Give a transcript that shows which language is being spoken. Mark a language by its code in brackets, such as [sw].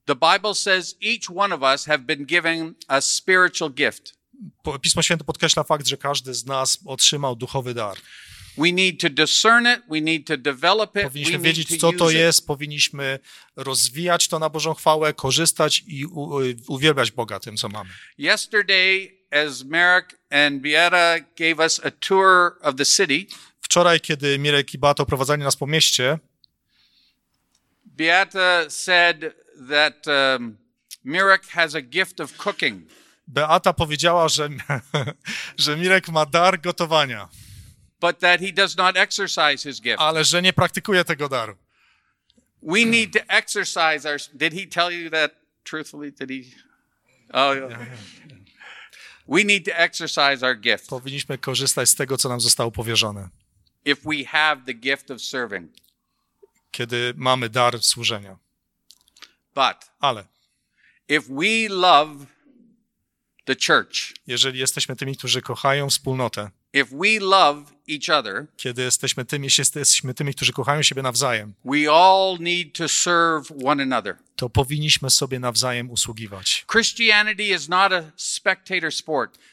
[en] The Bible says each one of us have been given a spiritual gift. [pl] Pismo Święte podkreśla fakt, że każdy z nas otrzymał duchowy dar. [en] We need to discern it, we need to develop it. [pl] Powinniśmy wiedzieć, co to jest, powinniśmy rozwijać to na Bożą chwałę, korzystać i uwielbiać Boga tym, co mamy. [en] Yesterday, as Marek and Biera gave us a tour of the city. [pl] Wczoraj, kiedy Mirek i Beata oprowadzali nas po mieście, [en] Beata said that Mirek has a gift of cooking. [pl] Beata powiedziała, że Mirek ma dar gotowania. [en] But that he does not exercise his gift. [pl] Ale że nie praktykuje tego daru. [en] We need to exercise our. Did he tell you that truthfully? Did he? Oh. We need to exercise our gift. [pl] Powinniśmy korzystać z tego, co nam zostało powierzone. [en] If we have the gift of serving. [pl] Kiedy mamy dar służenia. [en] But. [pl] Ale. [en] If we love the church. [pl] Jeżeli jesteśmy tymi, którzy kochają wspólnotę. [en] If we love each other. [pl] Kiedy jesteśmy tymi, którzy kochają siebie nawzajem. [en] We all need to serve one another. [pl] To powinniśmy sobie nawzajem usługiwać. [en] Christianity is not a spectator sport.